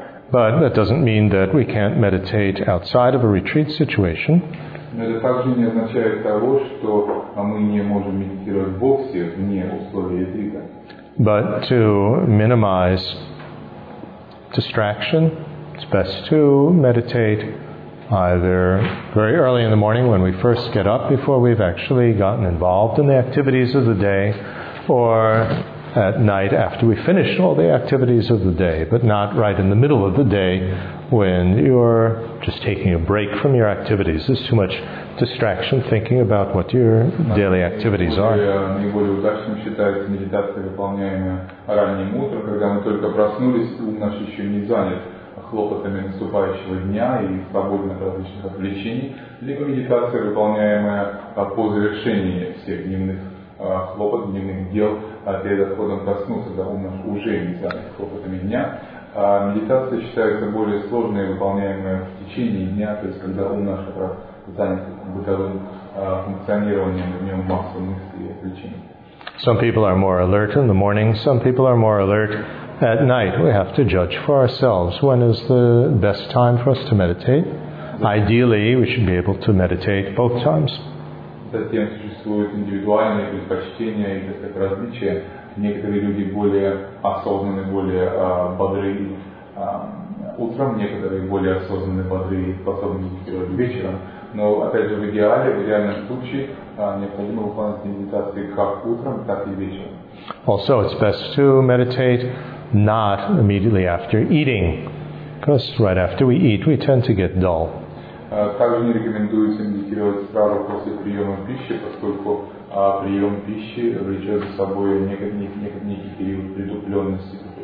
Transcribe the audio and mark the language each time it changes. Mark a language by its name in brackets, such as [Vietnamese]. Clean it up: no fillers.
[English] But that doesn't mean that we can't meditate outside of a retreat situation. [Russian] Но это также не означает того, что мы не можем медитировать вовсе вне условий ретрита. [English] But to minimize distraction, it's best to meditate either very early in the morning when we first get up before we've actually gotten involved in the activities of the day, or at night after we finish all the activities of the day, but not right in the middle of the day when you're just taking a break from your activities. There's too much distraction thinking about what your daily activities are. [Russian] Наиболее удачным считается медитация, выполняемая ранним утром, когда мы только проснулись, ум наш еще не занят хлопотами наступающего дня и свободен от различных отвлечений, либо медитация, выполняемая по завершении всех дневных хлопот, дневных дел, перед отходом проснуться, да, ум наш уже не занят хлопотами дня. Медитация считается более сложной, выполняемой в течение дня, то есть когда ум наш занят бытовым функционированием, в нем масса мыслей и отвлечений. [English] Some people are more alert in the morning, some people are more alert at night. We have to judge for ourselves when is the best time for us to meditate. Ideally, we should be able to meditate both times. [Russian] Затем существуют индивидуальные предпочтения и различия. Некоторые люди более осознанные, более бодрые утром, некоторые более осознанные, бодрые, способны медитировать вечером. Но опять же, в идеальном случае необходимо выполнять медитации как утром, так и вечером. [English] Also, it's best to meditate not immediately after eating, because right after we eat, we tend to get dull. [Russian] Также не рекомендуется медитировать сразу после приема пищи, поскольку прием пищи влечет за собой некий период притупленности.